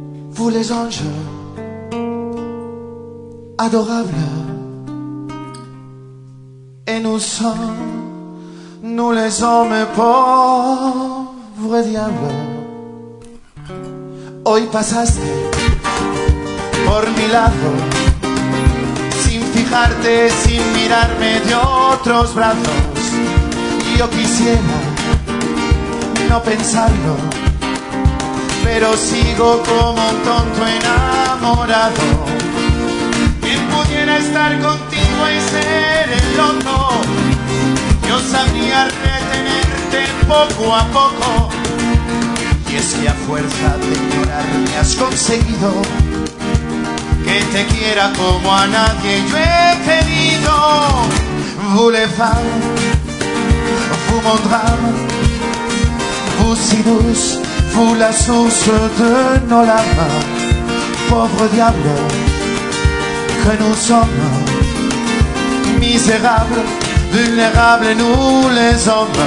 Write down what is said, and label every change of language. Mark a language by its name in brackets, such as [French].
[French] Vous les anges, adorables, et nous sommes, nous les hommes pauvres diables. [Spanish] Hoy pasaste por mi lado, sin fijarte, sin mirarme de otros brazos. Yo quisiera no pensarlo, pero sigo como un tonto enamorado. Quien pudiera estar contigo y ser el loco, yo sabría retenerte poco a poco. Y es que a fuerza de llorar me has conseguido que te quiera como a nadie yo he querido. [French] Voulez femme, vous mon drame, vous si douce, vous la source de nos larmes. Pauvre diable que nous sommes, misérables, vulnérables nous les hommes.